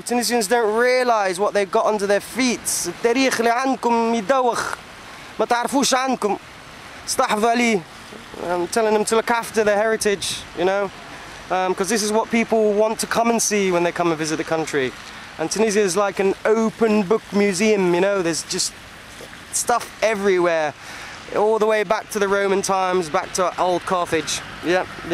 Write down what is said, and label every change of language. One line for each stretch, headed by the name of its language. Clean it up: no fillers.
English: Tunisians don't realize what they've got under their feet.
Arabic: التاريخ اللي عندكم يدوخ ما تعرفوش عنكم استحفظوا عليه.
English: I'm telling them to look after their heritage, you know, because this is what people want to come and see when they come and visit the country. And Tunisia is like an open book museum, you know. There's just stuff everywhere, all the way back to the Roman times, back to old Carthage. Yep.